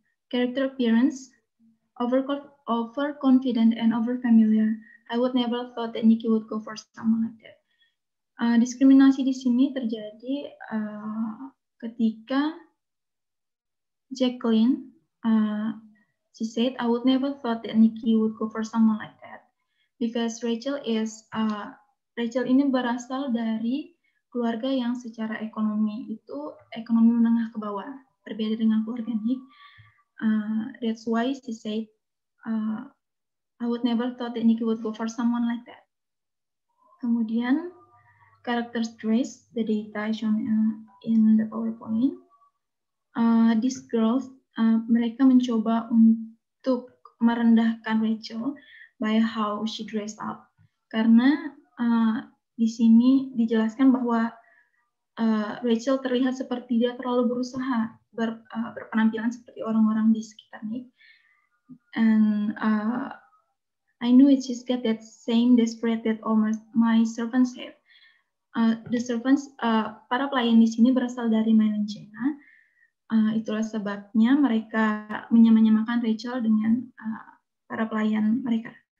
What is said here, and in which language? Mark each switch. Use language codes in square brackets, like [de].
[en] Character appearance, overconfident and overfamiliar. I would never thought that Nikki would go for someone like that. [id] Diskriminasi di sini terjadi ketika Jacqueline, [en] she said, I would never thought that Nikki would go for someone like that. Because Rachel is, [id] Rachel ini berasal dari keluarga yang secara ekonomi itu ekonomi menengah ke bawah. Berbeda dengan keluarga Nick, [en] that's why she said, I would never thought that Nick would go for someone like that. Kemudian, character traits, the data shown in the PowerPoint. These girls, [id] mereka mencoba untuk merendahkan Rachel [en] by how she dressed up. [id] Karena di sini dijelaskan bahwa Rachel terlihat seperti dia terlalu berusaha berpenampilan seperti orang-orang di sekitar Nick. [en] And I knew it just got that same desperate that all my servants have. [id] The servants, para pelayan di sini berasal dari mainland China. Itulah sebabnya mereka menyamakan Rachel dengan para pelayan mereka.